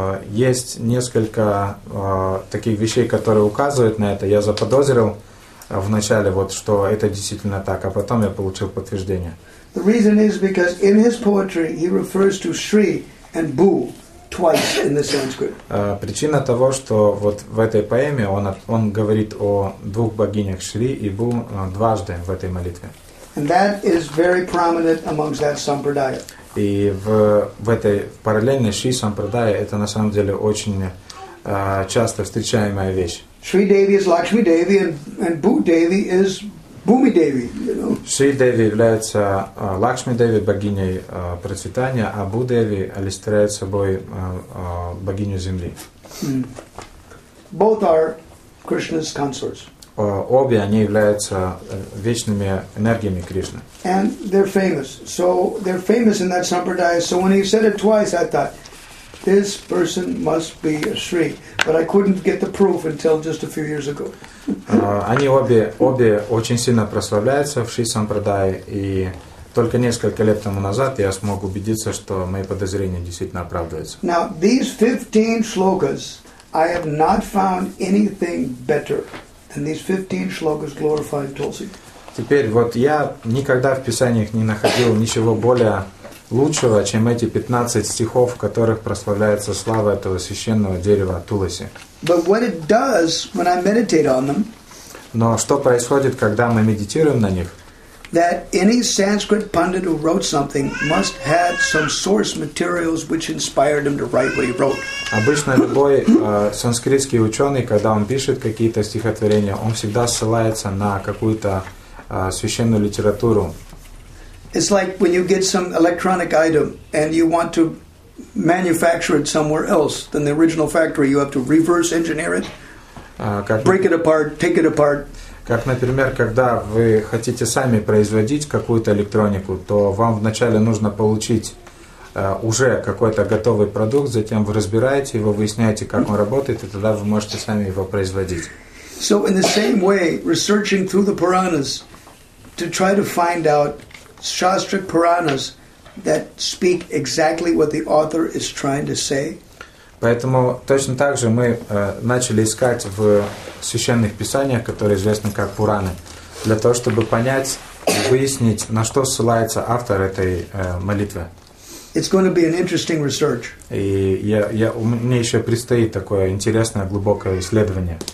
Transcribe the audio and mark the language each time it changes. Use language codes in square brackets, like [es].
[ru] Есть несколько таких вещей, которые указывают на это. Я заподозрил вначале, вот, что это действительно так, а потом я получил подтверждение. [en] The reason is because in his poetry he refers to Shri and Bhu twice in the Sanskrit. [ru] Причина того, что вот в этой поэме он говорит о двух богинях Шри и Бу дважды в этой молитве. [en] And that is very prominent amongst that sampradaya. [ru] И в этой параллельной Шри сампрадая это на самом деле очень часто встречаемая вещь. [en] Shri Devi is Lakshmi Devi and Bhu Devi is Bhumi Devi, you know. [ru] Шри Деви является Лакшми Деви, богиней процветания, а Бу Деви олицетворяет собой богиню земли. [en] Mm. Both are Krishna's consorts. [ru] Обе они являются вечными энергиями Кришны. [en] And they're famous. So they're famous in that sampradaya. So when he said it twice, I thought, this person must be a Shri. But I couldn't get the proof until just a few years ago. [ru] Они обе очень сильно прославляются в Шри Сампрадае, и только несколько лет тому назад я смог убедиться, что мои подозрения действительно оправдываются. [en] Now, these 15 shlokas, I have not found anything better than these 15 shlokas glorifying Tulsi. [ru] Теперь вот я никогда в писаниях не находил ничего более лучшего, чем эти 15 стихов, в которых прославляется слава этого священного дерева Туласи. [en] But what it does when I meditate on them? [ru] Но что происходит, когда мы медитируем на них? [en] That any Sanskrit pundit who wrote something must have some source materials which inspired him to write what he wrote. [ru] Обычно любой санскритский ученый, когда он пишет какие-то стихотворения, он всегда ссылается на какую-то священную литературу. [en] It's like when you get some electronic item and you want to manufacture it somewhere else than the original factory, you have to reverse engineer it, break it apart, take it apart. [ru] Как, например, когда вы хотите сами производить какую-то электронику, то вам вначале нужно получить уже какой-то готовый продукт, затем вы разбираете его, выясняете, как он работает, и тогда вы можете сами его производить. [en] So in the same way, researching through the Puranas to try to find out Shastric Puranas that speak exactly what the author is trying to say. [ru] Поэтому точно так же мы начали искать в священных писаниях, которые известны как Пураны, для того, чтобы понять, выяснить, на что ссылается автор этой молитвы. [en] It's going to be an interesting research. [ru] Мне еще предстоит такое интересное, глубокое исследование.